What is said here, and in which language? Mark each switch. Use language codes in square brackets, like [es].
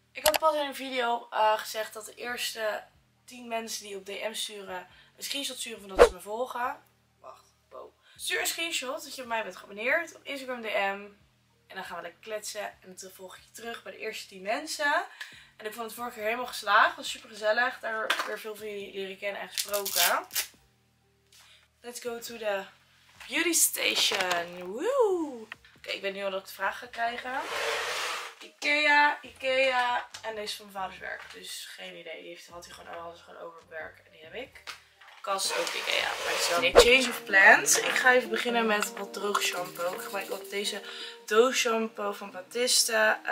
[nl] Ik had pas in een video gezegd dat de eerste 10 mensen die op DM sturen, een screenshot sturen van dat ze me volgen. Wacht, wow. Stuur een screenshot dat je op mij bent geabonneerd op Instagram DM. En dan gaan we lekker kletsen. En dan volg ik je terug bij de eerste 10 mensen. En ik vond het vorige keer helemaal geslaagd. Was super gezellig. Daar weer veel van jullie leren kennen en gesproken. [en] Let's go to the beauty station. Woo! [nl] Oké, ik weet nu al dat ik de vraag ga krijgen. Ikea. En deze is van mijn vaders werk. Dus geen idee. Die had hij gewoon alles gewoon over het werk. En die heb ik. Kast ook Ikea. Maar het is wel een [en] change of plans. [nl] Ik ga even beginnen met wat droog shampoo. Ik gebruik ook deze doos shampoo van Batiste.